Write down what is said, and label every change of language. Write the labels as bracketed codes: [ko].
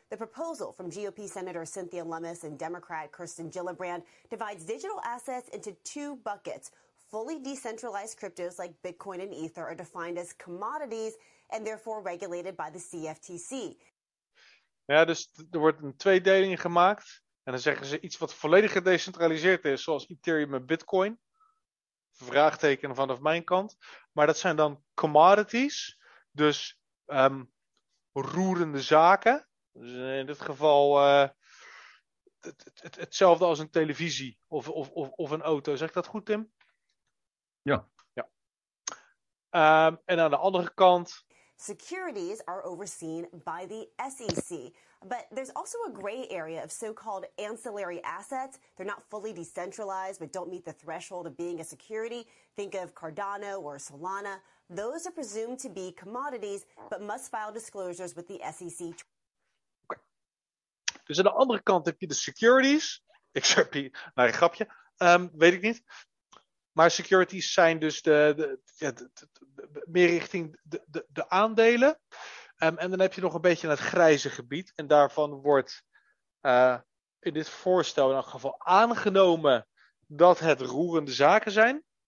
[en] The proposal from GOP Senator Cynthia Lummis and Democrat Kirsten Gillibrand divides digital assets into two buckets. Fully decentralized cryptos like Bitcoin and Ether are defined as commodities and therefore regulated by the CFTC. [nl] Ja, dus er wordt een tweedeling gemaakt. En dan zeggen ze iets wat volledig gedecentraliseerd is, zoals Ethereum en Bitcoin. Vraagteken vanaf mijn kant. Maar dat zijn dan commodities. Dus roerende zaken. Dus in dit geval hetzelfde als een televisie of een auto. Zeg ik dat goed, Tim? Ja. Ja. En aan de andere kant. [en] Securities are overseen by the SEC. But there's also a gray area of so-called ancillary assets. They're not fully decentralized, but don't meet the threshold of being a security. Think of Cardano or Solana. Those are presumed to be commodities, but must file disclosures with the SEC. Okay. [nl] Dus aan de andere kant heb je de securities. XRP, nou een grapje. Weet ik niet. Maar securities zijn dus meer richting de aandelen. En dan heb je nog een beetje het grijze gebied. En daarvan wordt in dit voorstel in elk geval aangenomen dat het roerende zaken zijn.